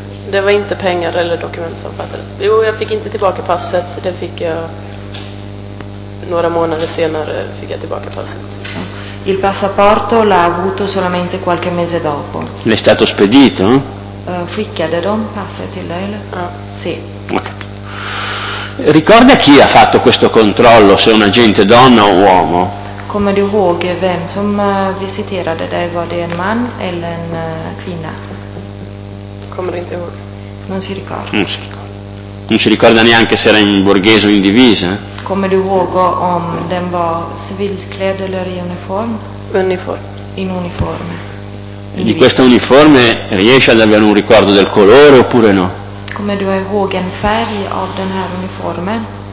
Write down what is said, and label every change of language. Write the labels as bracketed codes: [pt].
[sv] Det var inte pengar eller dokument som fattades. Jo, jag fick inte tillbaka passet, det fick jag. Några månader senare fick jag tillbaka passet. [it] Il passaporto l'ha avuto solamente qualche mese dopo. L'è stato spedito? [sv] Skickade de passet till dig? Ja. [it] Sì. [en] Okay. [it] Ricorda chi ha fatto questo controllo, se un agente donna o uomo? [sv] Kommer du ihåg vem som visiterade dig? Var det en man eller en kvinna? Kommer du inte ihåg? [it] Non si ricorda. Non si ricorda. Non si ricorda neanche se era in borghese o in divisa? [sv] Come du ihåg om den var civilklädd eller i uniform? Uniform. [it] In uniforme. E di questa uniforme riesce ad avere un ricordo del colore oppure no? [sv] Come du ihåg en färg av den här uniformen?